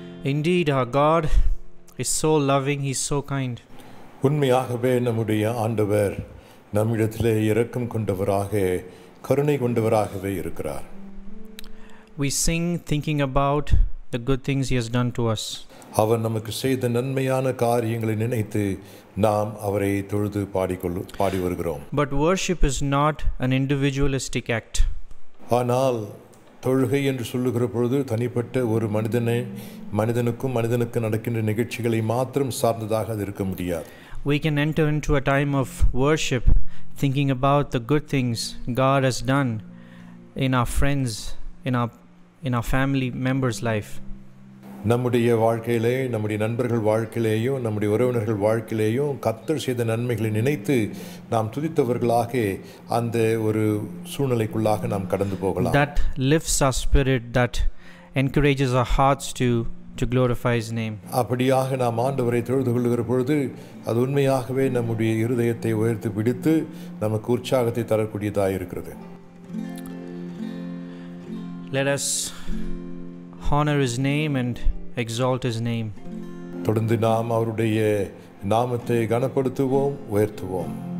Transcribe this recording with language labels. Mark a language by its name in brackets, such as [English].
[English] Indeed, our God is so loving, He's so kind. [Tamil] உண்மையாகவே நம்முடைய ஆண்டவர் நம்மிடத்திலே இரக்கம் கொண்டவராக, கருணை கொண்டவராகவே இருக்கிறார். [English] We sing thinking about the good things He has done to us. [Tamil] அவர் நமக்கு செய்த நன்மையான காரியங்களை நினைத்து நாம் அவரை தொழுது பாடி வருகிறோம். [English] But worship is not an individualistic act. [Tamil] ஆனால் தொழுகை என்று சொல்லுகிற பொழுது தனிப்பட்ட ஒரு மனிதனுக்கும் நடக்கின்ற நிகழ்ச்சிகளை மாத்திரம் சார்ந்ததாக அது இருக்க முடியாது. [English] We can enter into a time of worship thinking about the good things God has done in our friends, in our family members life. [Tamil] நம்முடைய வாழ்க்கையிலே, நம்முடைய நண்பர்கள் வாழ்க்கையிலேயும், நம்முடைய உறவினர்கள் வாழ்க்கையிலேயும் கர்த்தர் செய்த நன்மைகளை நினைத்து நாம் துதித்தவர்களாக அந்த ஒரு சூழ்நிலைக்குள்ளாக நாம் கடந்து போகலாம். [English] That lifts our spirit, that encourages our hearts to glorify His name. [Tamil] அப்படியாக நாம் ஆண்டவரை தொழுது கொள்ளுகிற பொழுது அது உண்மையாகவே நம்முடைய இருதயத்தை உயர்த்தி பிடித்து நமக்கு உற்சாகத்தை தரக்கூடியதாக இருக்கிறது. [English] Let us honor His name and exalt His name. [Tamil] தொடர்ந்து நாம் அவருடைய நாமத்தை கனப்படுத்துவோம், உயர்த்துவோம்.